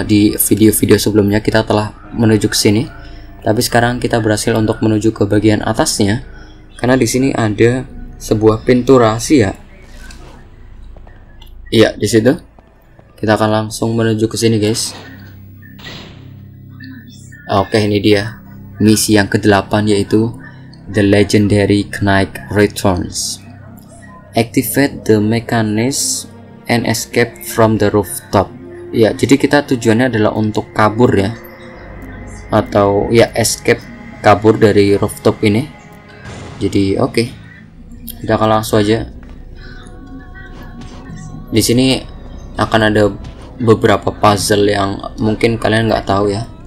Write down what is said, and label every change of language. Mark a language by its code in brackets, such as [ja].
[id] Di video-video sebelumnya kita telah menuju ke sini, tapi sekarang kita berhasil untuk menuju ke bagian atasnya karena di sini ada sebuah pintu rahasia. Iya, di situ. Kita akan langsung menuju ke sini, guys. Oke, ini dia misi yang ke-8, yaitu The Legendary Knight Returns. [en] Activate the mechanism and escape from the rooftop. [id] Ya, jadi kita tujuannya adalah untuk kabur ya, atau ya escape, kabur dari rooftop ini. Jadi oke, kita akan langsung aja. Di sini akan ada beberapa puzzle yang mungkin kalian nggak tahu ya.